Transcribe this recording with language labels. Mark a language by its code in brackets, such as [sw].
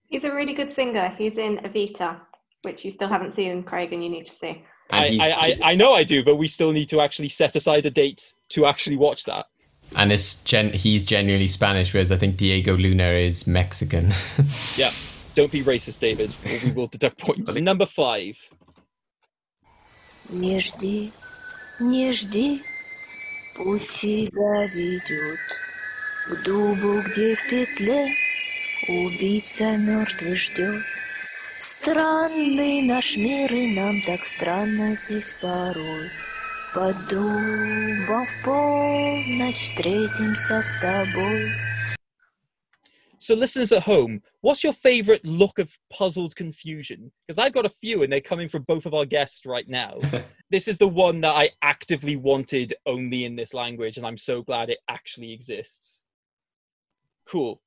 [en] He's a really good singer. He's in Evita, which you still haven't seen, Craig, and you need to see. I know I do, but we still need to actually set aside a date to actually watch that. And it's he's genuinely Spanish, whereas I think Diego Luna is Mexican. Yeah. Don't be racist, David, or we will deduct points. Okay. Number five. [ru] Не жди, не жди, путь тебя ведет к дубу, где в петле убийца мертвый ждет. Странный наш мир, и нам так странно здесь порой. Под дубом в полночь встретимся с тобой. [en] So listeners at home, what's your favorite look of puzzled confusion? Because I've got a few and they're coming from both of our guests right now. This is the one that I actively wanted only in this language and I'm so glad it actually exists. Cool.